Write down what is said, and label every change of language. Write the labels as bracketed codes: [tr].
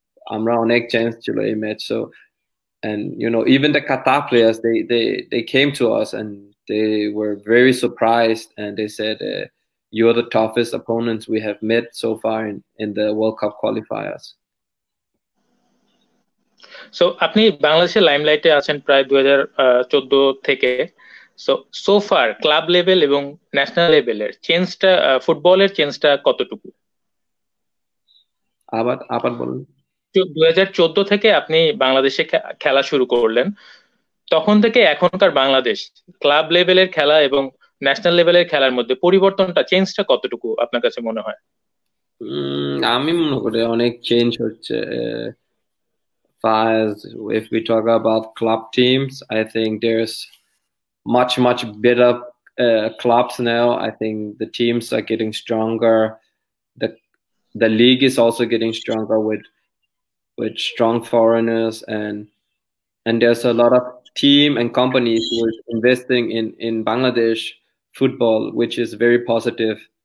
[bn] Amra onek chance chilo ei match. [en] So, and you know, even the Qatar players, they came to us and they were very surprised, and they said, "You are the toughest opponents we have met so far in the World Cup qualifiers." [bn] So, আপনি বাংলাদেশের লাইমলাইটে আছেন প্রায় 2014 থেকে, so so far club level এবং national লেভেলের চেঞ্জটা, ফুটবলের চেঞ্জটা কতটুকু? আবার আবার বলুন। 2014 থেকে আপনি বাংলাদেশে খেলা শুরু করলেন, তখন থেকে এখনকার বাংলাদেশ ক্লাব লেভেলের খেলা এবং ন্যাশনাল লেভেলের খেলার মধ্যে পরিবর্তনটা, চেঞ্জটা কতটুকু আপনার কাছে মনে হয়? আমি মনে করি অনেক চেঞ্জ হচ্ছে। [en] As if we talk about club teams, I think there's much, much better clubs now. I think the teams are getting stronger. The league is also getting stronger with strong foreigners, and there's a lot of team and companies who are investing in Bangladesh football, which is very positive.